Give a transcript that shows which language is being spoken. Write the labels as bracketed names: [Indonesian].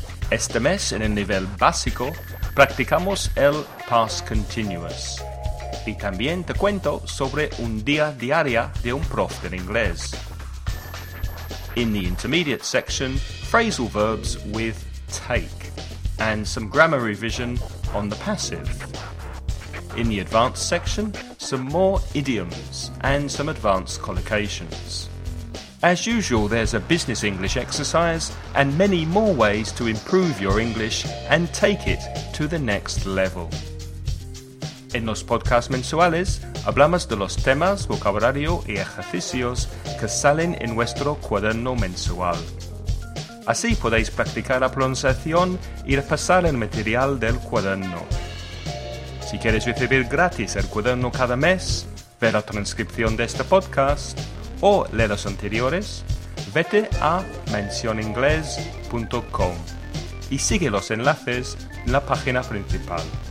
[Spanish] Este mes, en el nivel básico, practicamos el past continuous. Y también te cuento sobre un día diario de un prof en inglés. [English] In the intermediate section, phrasal verbs with take, and some grammar revision on the passive. In the advanced section, some more idioms and some advanced collocations. As usual, there's a business English exercise and many more ways to improve your English and take it to the next level. [Spanish] En los podcasts mensuales, hablamos de los temas, vocabulario y ejercicios que salen en nuestro cuaderno mensual. Así podéis practicar la pronunciación y repasar el material del cuaderno. Si quieres recibir gratis el cuaderno cada mes, ver la transcripción de este podcast o leer los anteriores, vete a mencioningles.com y sigue los enlaces en la página principal.